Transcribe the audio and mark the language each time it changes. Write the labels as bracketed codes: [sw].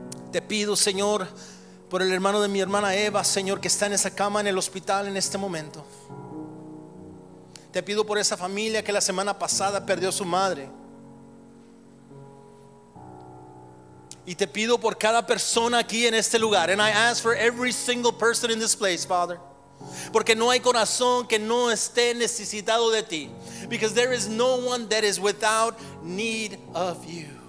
[es] Te pido, Señor, por el hermano de mi hermana Eva, Señor, que está en esa cama en el hospital en este momento. Te pido por esa familia que la semana pasada perdió a su madre. Y te pido por cada persona aquí en este lugar. [en] And I ask for every single person in this place, Father. [es] Porque no hay corazón que no esté necesitado de ti. [en] Because there is no one that is without need of you.